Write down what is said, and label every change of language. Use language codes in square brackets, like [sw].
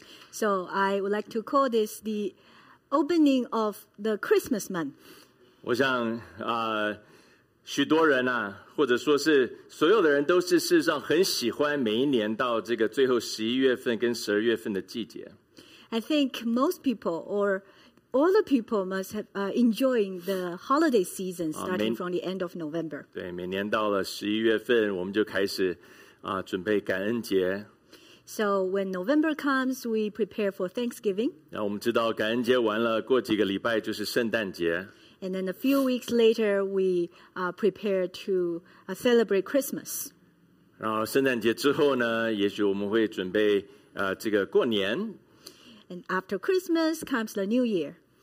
[en] So I would like to call this the opening of the Christmas month. [zh] 我想, 许多人啊, 或者说是所有的人都是事实上很喜欢每一年到这个最后11月份跟12月份的季节。 [en] I think most people or all the people must have enjoying the holiday season starting from the end of November. [zh] 对,每年到了11月份, 我们就开始, 准备感恩节。 [en] So when November comes, we prepare for Thanksgiving. [zh] 那我们知道感恩节完了, 过几个礼拜就是圣诞节。 [en] And then a few weeks later, we prepare to celebrate Christmas. [zh] 然后圣诞节之后呢, 也许我们会准备, 这个过年。 [en] And after Christmas comes the New Year.